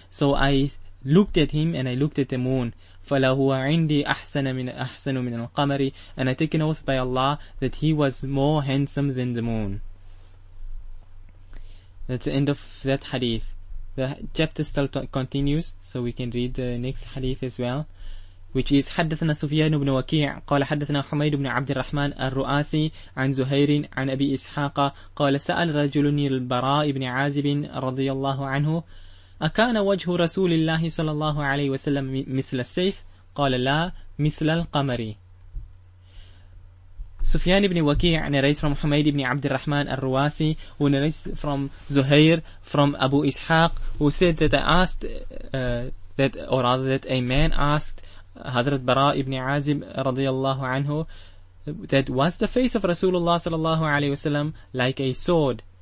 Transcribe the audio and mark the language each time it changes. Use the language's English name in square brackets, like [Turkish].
[English] So I looked at him and I looked at the moon. [Arabic] فَلَهُوَ عِنْدِي أَحْسَنُ مِنَ الْقَمَرِ. [English] And I take an oath by Allah that he was more handsome than the moon. That's the end of that hadith. The chapter still continues, so we can read the next hadith as well, which is [Arabic] حدثنا سفيان بن وكيع قال حدثنا حميد بن عبد الرحمن الرؤاسي عن زهير عن أبي إسحاق قال سأل رجل البراء بن عازب رضي الله عنه أكان وجه رسول الله صلى الله عليه وسلم مثل السيف؟ قال لا, مثل القمر. [English] سفيان بن وكيع narrates from حميد بن عبد الرحمن الرؤاسي, who narrates from زهير from أبو إسحاق, who said that I asked that a man asked Hadrat Bara ibn Azim radiyallahu anhu, that was the face of Rasulullah sallallahu alayhi wasallam like a sword?